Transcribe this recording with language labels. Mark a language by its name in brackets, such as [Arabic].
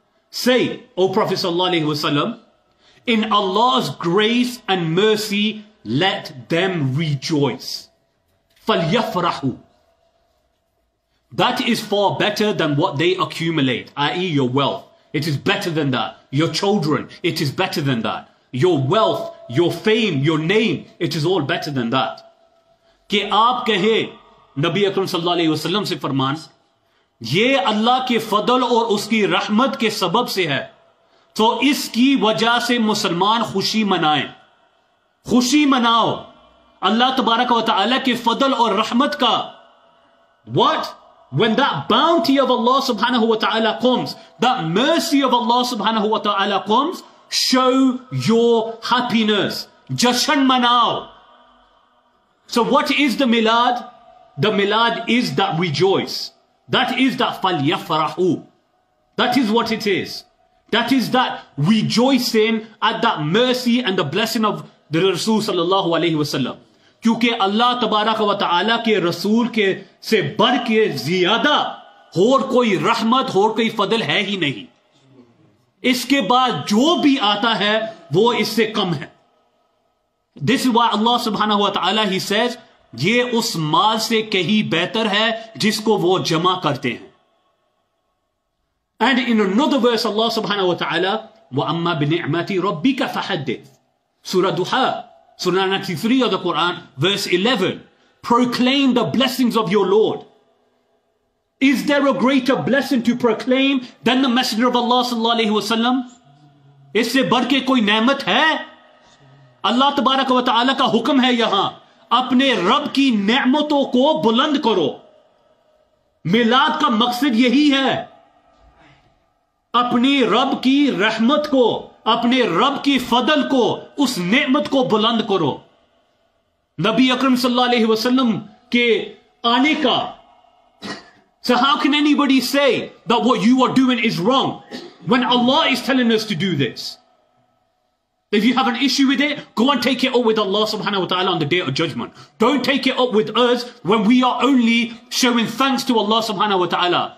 [English] Say, O Prophet sallallahu alayhi wasallam, in Allah's grace and mercy, let them rejoice. [Arabic] فَلْيَفْرَحُوا. [English] That is far better than what they accumulate, i.e. your wealth. It is better than that. Your children, it is better than that. Your wealth, your fame, your name, it is all better than that. [Urdu] کہ آپ کہے، نبی اکرم صلی اللہ علیہ وسلم سے فرمان، یہ اللہ کے فضل اور اسکی رحمت کے سبب سے ہے، تو اسکی وجہ سے مسلمان خوشی منائے۔ خوشی مناؤ۔ اللہ تبارک و تعالیٰ کے فضل اور رحمت کا۔ [English] What? When that bounty of Allah subhanahu wa ta'ala comes, that mercy of Allah subhanahu wa ta'ala comes, show your happiness. [Urdu] Jashan manao. [English] So what is the milad? The milad is that rejoice. That is that falyafrahu. That is what it is. That is that rejoicing at that mercy and the blessing of the Rasul sallallahu alayhi wa sallam. [Urdu] کیونکہ اللہ تبارک و تعالیٰ کے رسول کے سے بڑھ کے زیادہ ہور کوئی رحمت، ہور کوئی فضل ہے ہی نہیں۔ اسکے بعد جو بھی آتا ہے، وہ اسسے کم ہے۔ [English] This is why Allah subhanahu wa ta'ala, he says, [Urdu] یہ اس مال سے کہیں better ہے جسکو وہ جمع کرتے ہیں۔ [English] And in another verse, Allah subhanahu wa ta'ala, [Arabic] wa amma bi ni'mati rabbika fahaddith. [English] Surah Duha, Surah 93 of the Quran, verse 11. Proclaim the blessings of your Lord. Is there a greater blessing to proclaim than the Messenger of Allah sallallahu alayhi wa sallam? [Urdu] اسسے بڑھکے کوئی نعمت ہے؟ اللہ تبارک و تعالیٰ کا حکم ہے یہاں۔ اپنے رب کی نعمتوں کو بلند کرو۔ میلاد کا مقصد یہی ہے۔ اپنے رب کی رحمت کو، اپنے رب کی فضل کو، اس نعمت کو بلند کرو۔ نبی اکرم صلی اللہ علیہ وسلم کے آنے کا۔ [English] So how can anybody say that what you are doing is wrong when Allah is telling us to do this? If you have an issue with it, go and take it up with Allah subhanahu wa ta'ala on the day of judgment. Don't take it up with us when we are only showing thanks to Allah subhanahu wa ta'ala.